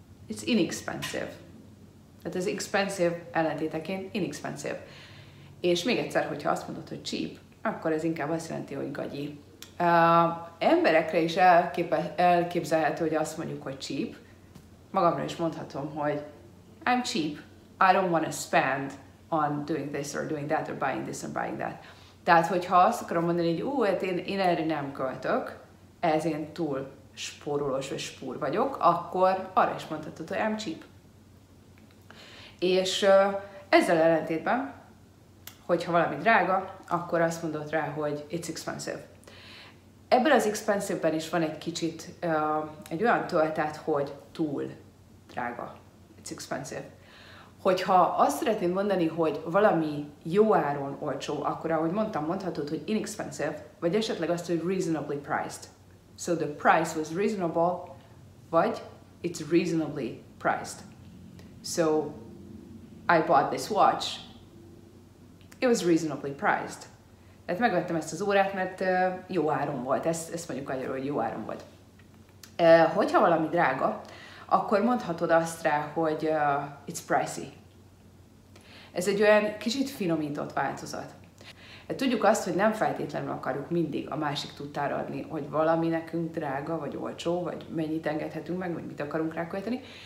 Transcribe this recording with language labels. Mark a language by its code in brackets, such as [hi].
[en] It's inexpensive. [hu] Tehát ez expensive ellentéteként inexpensive. És még egyszer, hogyha azt mondod, hogy cheap, akkor ez inkább azt jelenti, hogy gagyi. Emberekre is elképzelhető, hogy azt mondjuk, hogy cheap. Magamra is mondhatom, hogy [en] I'm cheap. I don't want to spend on doing this or doing that or buying this or buying that. [hu] Tehát, hogyha azt akarom mondani, hogy hát én erre nem költök, ez én túl spórolós vagy spúr vagyok, akkor arra is mondhatod, hogy [en] I'm cheap. [hu] És ezzel ellentétben, hogyha valami drága, akkor azt mondod rá, hogy [en] it's expensive. [hu] Ebben az expensive-ben is van egy kicsit egy olyan töltet, hogy túl drága. [en] It's expensive. [hu] Hogyha azt szeretném mondani, hogy valami jó áron olcsó, akkor ahogy mondtam, mondhatod, hogy inexpensive, vagy esetleg azt, hogy [en] reasonably priced. So the price was reasonable, vagy it's reasonably priced. So I bought this watch, it was reasonably priced. [hu] Tehát megvettem ezt az órát, mert jó áron volt. Ezt mondjuk annyira, hogy jó áron volt. Hogyha valami drága, akkor mondhatod azt rá, hogy [en] it's pricey. [hu] Ez egy olyan kicsit finomított változat. Tudjuk azt, hogy nem feltétlenül akarjuk mindig a másik tudtára adni, hogy valami nekünk drága, vagy olcsó, vagy mennyit engedhetünk meg, vagy mit akarunk rá költeni.